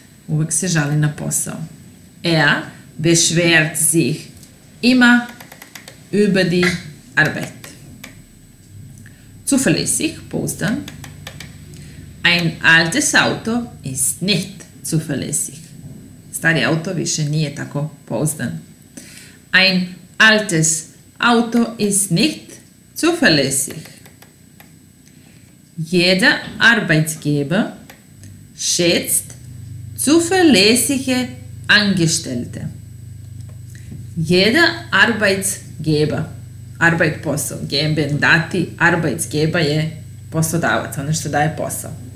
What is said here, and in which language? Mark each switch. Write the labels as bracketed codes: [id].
[sr] Uvijek se žali na posao. [de] Beschwert sich immer über die Arbeit. Zuverlässig, pouzdan. Ein altes Auto ist nicht zuverlässig. [sr] Stari auto više nije tako pouzdan. [de] Ein altes Auto ist nicht zuverlässig. Jeder Arbeitgeber schätzt zuverlässige Angestellte. Jeder Arbeitgeber, [sr] Arbeitposel, geben, dati, Arbeitgeber je poslodavac, ono što daje posao.